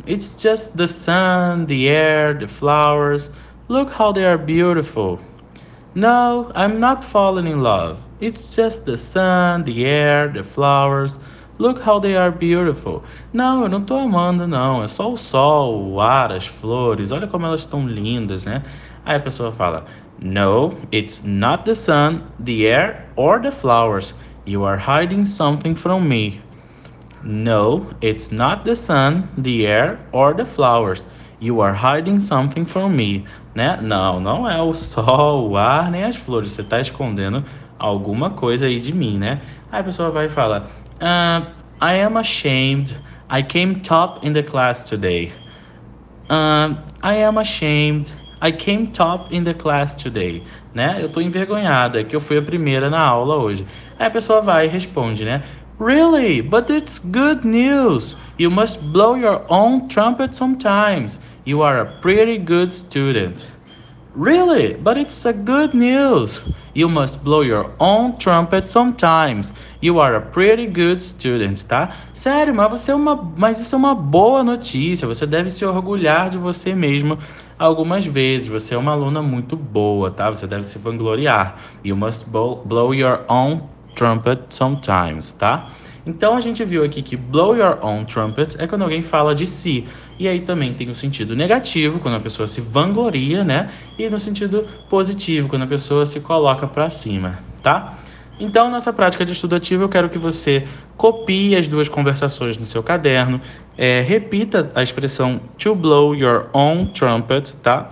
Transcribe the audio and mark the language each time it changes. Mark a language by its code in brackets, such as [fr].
[en] It's just the sun, the air, the flowers. Look how they are beautiful. No, I'm not falling in love. It's just the sun, the air, the flowers. Look how they are beautiful. [pt] Não, eu não tô amando, não. É só o sol, o ar, as flores. Olha como elas estão lindas, né? Aí a pessoa fala: [en] No, it's not the sun, the air, or the flowers. You are hiding something from me. No, it's not the sun, the air, or the flowers. You are hiding something from me. Né? [pt] Não, não é o sol, o ar, nem as flores. Você está escondendo alguma coisa aí de mim, né? Aí a pessoa vai e fala: [en] I am ashamed. I came top in the class today. I am ashamed. I came top in the class today, né? [pt] Eu tô envergonhada que eu fui a primeira na aula hoje. Aí a pessoa vai e responde, né? [en] Really? But it's good news. You must blow your own trumpet sometimes. You are a pretty good student. Really? But it's a good news. You must blow your own trumpet sometimes. You are a pretty good student, tá? [pt] Sério, mas você é uma, mas isso é uma boa notícia. Você deve se orgulhar de você mesmo algumas vezes. Você é uma aluna muito boa, tá? Você deve se vangloriar. [en] You must blow your own trumpet sometimes, tá? [pt] Então a gente viu aqui que [en] blow your own trumpet [pt] é quando alguém fala de si. E aí também tem o sentido negativo, quando a pessoa se vangloria, né? E no sentido positivo, quando a pessoa se coloca pra cima, tá? Então, nessa prática de estudo ativo, eu quero que você copie as duas conversações no seu caderno, repita a expressão [en] to blow your own trumpet, [pt] tá?